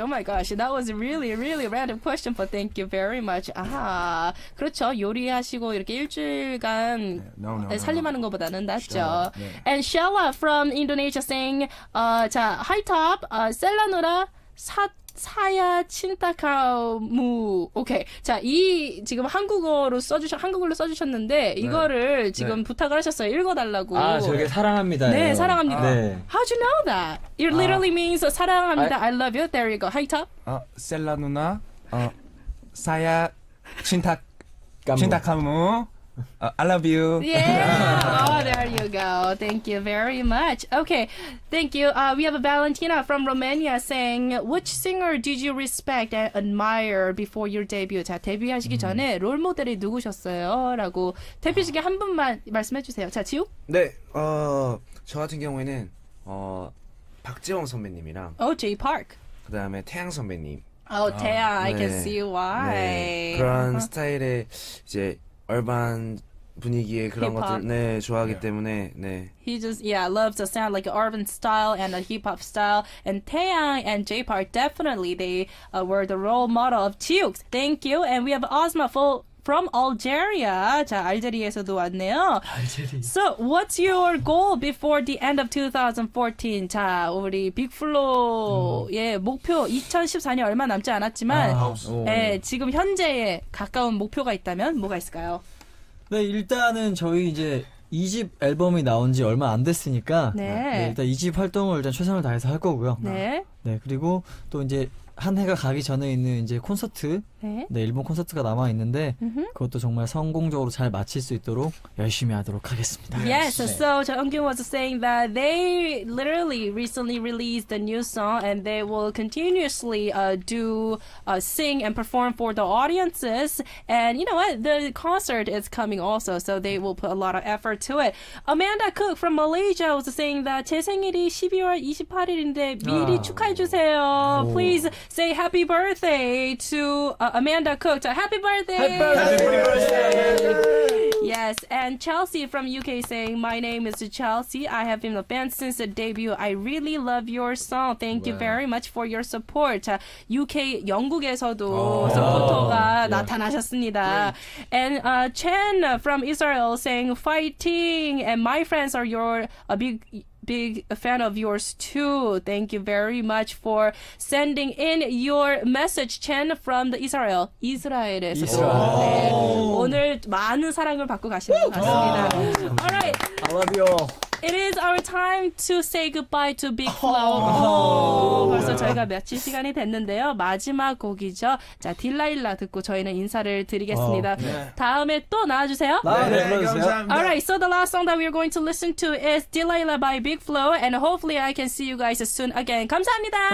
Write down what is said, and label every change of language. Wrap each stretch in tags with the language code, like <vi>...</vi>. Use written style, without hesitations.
<en>Oh my gosh, that was really, really random question, but thank you very much.</en> <ko>아, 그렇죠. 요리하시고 이렇게 일주일간 살림하는 것보다는 낫죠.</ko> <en>And Shella from Indonesia saying, 자, high top,</en> <ms>셀라누라 사야 친타카무.</ms> <en>Okay.</en> <ko>자, 이 지금 한국어로 써주셨는데 이거를 네. 지금 네. 부탁을 하셨어요. 읽어달라고. 아, 저게 사랑합니다. 네, 사랑합니다. 네.</ko> <en>How'd you know that? It literally means</en> <ko>사랑합니다.</ko> <en>I love you. There you go. High top.</en> <ms>셀라 누나. 사야 친타카무.</ms> <en>I love you. Yeah. Oh, there you go. Thank you very much. Okay. Thank you. We have a Valentina from Romania saying, which singer did you respect and admire before your debut?</en> <ko>자, 데뷔하시기 전에 롤 모델이 누구셨어요? 라고 대표 중에 한 분만 말씀해 주세요. 자, 지우? 네. 저 같은 경우에는 박재홍 선배님이랑</ko> <en>J. Park.</en> <ko>그다음에 태양 선배님.</ko> <en>Oh, 태양. 네. I can see why.</en> <ko>네. 그런 스타일의 이제 얼반 분위기의 그런 것들 네 좋아하기 yeah. 때문에 네.</ko> <en>He just yeah loves the sound like urban style and the hip hop style and Taeyang and J-Park definitely they were the role model of Chiyuk. Thank you and we have Ozma full. From Algeria.</en> <ko>자, 알제리에서도 왔네요. 알제리.</ko> <en>So, what's your goal before the end of 2014?</en> <ko>자, 우리 빅플로의 목표 2014년 얼마 남지 않았지만 아, 예, 지금 현재에 가까운 목표가 있다면 뭐가 있을까요? 네, 일단은 저희 이제 2집 앨범이 나온 지 얼마 안 됐으니까 네. 네, 일단 2집 활동을 일단 최선을 다해서 할 거고요. 네. 네, 그리고 또 이제 한 해가 가기 전에 있는 이제 콘서트, 네, 네 일본 콘서트가 남아 있는데 그것도 정말 성공적으로 잘 마칠 수 있도록 열심히 하도록 하겠습니다. Yes, 네.</ko> <en>So Jeongkyung was saying that they literally recently released a new song and they will continuously do sing and perform for the audiences. And you know what? The concert is coming also, so they will put a lot of effort to it. Amanda Cook from Malaysia was saying that</en> <ko>제 생일이 12월 28일인데 미리 아. 축하해 주세요, 오.</ko> <en>please. Say happy birthday to Amanda Cook. Happy birthday! Happy birthday! Happy birthday! Yes, and Chelsea from UK saying, my name is Chelsea. I have been a fan since the debut. I really love your song. Thank you very much for your support.</en> <ko>UK, 영국에서도 서포터가 나타나셨습니다.</ko> <en>And Chen from Israel saying, fighting! And my friends are your big fan of yours too. Thank you very much for sending in your message, Chen from the Israel. Israel. Israel.</en> <ko>네, 오늘 많은 사랑을 받고 가시는 것 같습니다.</ko> <en>All right. I love you. It is our time to say goodbye to Big Flow.</en> <ko>벌써 저희가 며칠 시간이 됐는데요. 마지막 곡이죠. 자, 딜라일라 듣고 저희는 인사를 드리겠습니다. 다음에 또 나와주세요. 네, 감사합니다.</ko> <en>Alright, so the last song that we are going to listen to is Delilah by Big Flow. And hopefully I can see you guys soon again.</en> <ko>감사합니다.</ko>